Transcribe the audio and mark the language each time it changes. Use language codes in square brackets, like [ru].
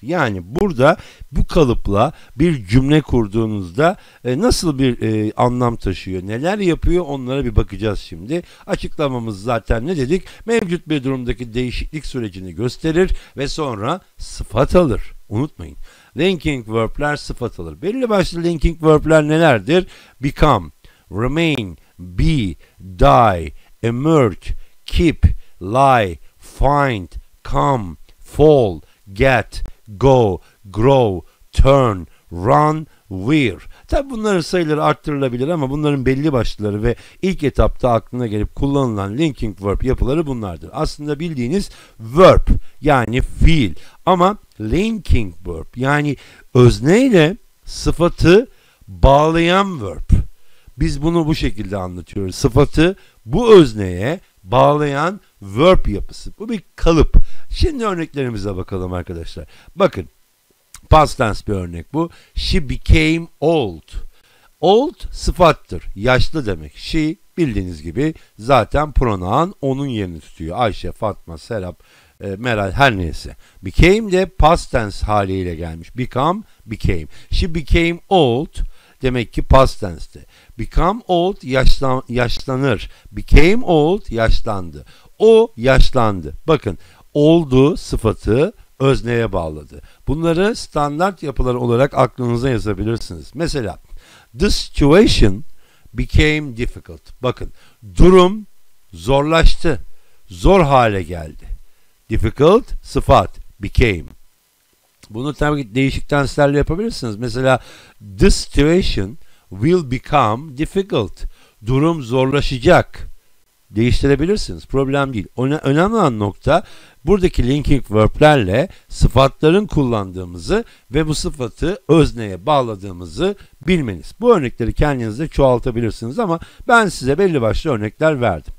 [tr] Yani burada bu kalıpla bir cümle kurduğunuzda nasıl bir anlam taşıyor, neler yapıyor, onlara bir bakacağız şimdi. Açıklamamız zaten ne dedik? Mevcut bir durumdaki değişiklik sürecini gösterir ve sonra sıfat alır. Unutmayın. Linking verb'ler sıfat alır. Belli başlı linking verb'ler nelerdir? [en] Become, remain, be, die, emerge, keep, lie, find, come, fall, get, go, grow, turn, run, wear. [tr] Tabi bunların sayıları arttırılabilir ama bunların belli başlıları ve ilk etapta aklına gelip kullanılan linking verb yapıları bunlardır. Aslında bildiğiniz verb yani fiil ama linking verb yani özneyle sıfatı bağlayan verb. Biz bunu bu şekilde anlatıyoruz. Sıfatı bu özneye bağlayan verb yapısı. Bu bir kalıp. Şimdi örneklerimize bakalım arkadaşlar. Bakın. Past tense bir örnek bu. [en] She became old. [tr] Old sıfattır. Yaşlı demek. She bildiğiniz gibi zaten pronoun onun yerini tutuyor. Ayşe, Fatma, Serap, Meral her neyse. Became de past tense haliyle gelmiş. [en] Become, became. She became old. [tr] Demek ki past tense'de. [en] Become old, yaşlanır. Became old, yaşlandı. [tr] O yaşlandı. Bakın, oldu sıfatı özneye bağladı. Bunları standart yapılar olarak aklınıza yazabilirsiniz. [en] Mesela, the situation became difficult. [tr] Bakın, durum zorlaştı. Zor hale geldi. [en] Difficult, sıfat, became. [tr] Bunu tabii değişik tenslerle yapabilirsiniz. [en] Mesela the situation will become difficult. [tr] Durum zorlaşacak. Değiştirebilirsiniz. Problem değil. Önemli olan nokta buradaki linking verb'lerle sıfatların kullandığımızı ve bu sıfatı özneye bağladığımızı bilmeniz. Bu örnekleri kendinizde çoğaltabilirsiniz ama ben size belli başlı örnekler verdim.